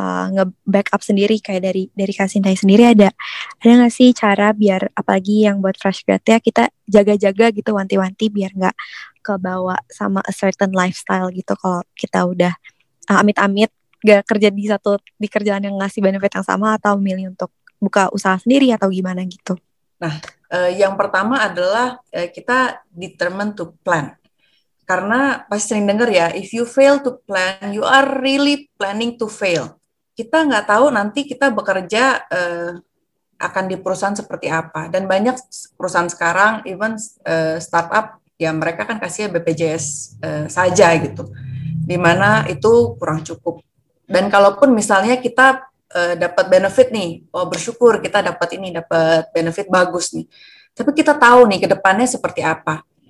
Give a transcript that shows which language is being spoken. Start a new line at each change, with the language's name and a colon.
Indonesian: nge-backup sendiri, kayak dari Kak Shinta sendiri ada gak sih cara biar apalagi yang buat fresh grad ya, kita jaga-jaga gitu, wanti-wanti biar gak kebawa sama
English: a certain lifestyle
Indonesian: gitu, kalau kita udah amit-amit gak kerja di kerjaan yang ngasih benefit yang sama atau milih untuk buka usaha sendiri atau gimana gitu. Nah, yang pertama adalah kita determined to plan. Karena pasti sering dengar ya,
English: if you fail to plan, you are really planning to fail.
Indonesian: Kita nggak tahu nanti kita bekerja akan di perusahaan seperti apa. Dan banyak perusahaan sekarang, even startup, ya mereka kan kasihnya BPJS saja gitu. Dimana itu kurang cukup. Dan kalaupun misalnya kita dapat benefit nih, oh bersyukur kita dapat ini, dapat benefit bagus nih. Tapi kita tahu nih ke depannya seperti apa.